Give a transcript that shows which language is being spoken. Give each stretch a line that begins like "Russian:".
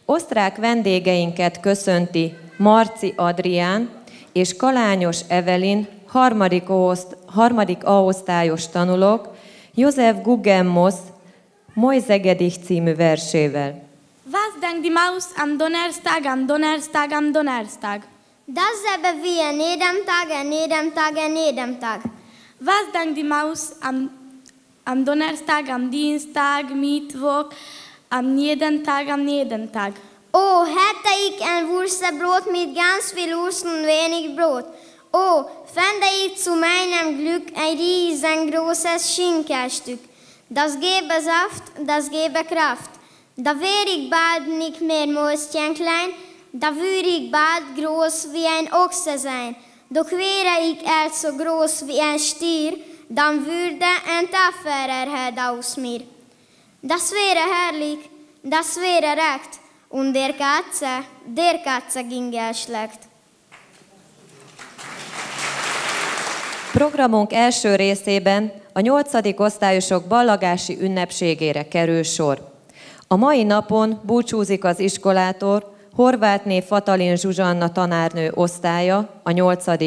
Hungarian: diák vendégeinket köszönti Marci Adrián és Kalányos Evelin, harmadik A-osztályos tanulók, József Guggenmos Mojzegedich című versével.
German: Was denkt die Maus am Donnerstag, am Donnerstag, am Donnerstag? Das selbe wie an jedem Tag, an jedem Tag, an jedem Tag. Was denkt die Maus am Donnerstag, am Dienstag, Mittwoch, am jeden Tag, an jedem Tag? Oh, hätte ich ein Wurstbrot mit ganz viel Wurst und wenig Brot. Oh, fände ich zu meinem Glück ein riesengroßes Schinkenstück. Das gebe Saft, das gebe Kraft. Da wär ich bald nicht mehr Mäuschen klein, da würde ich bald groß wie ein Ochse sein. Doch wäre ich erst so groß wie ein Stier, dann würde ein tapferer Held aus mir. Das wäre herrlich, das wäre recht, und der Katze ging el schlecht.
Hungarian: Programunk első részében a 8. osztályosok ballagási ünnepségére kerül sor. A mai napon búcsúzik az iskolától Horvátné Fatalin Zsuzsanna tanárnő osztálya, a 8.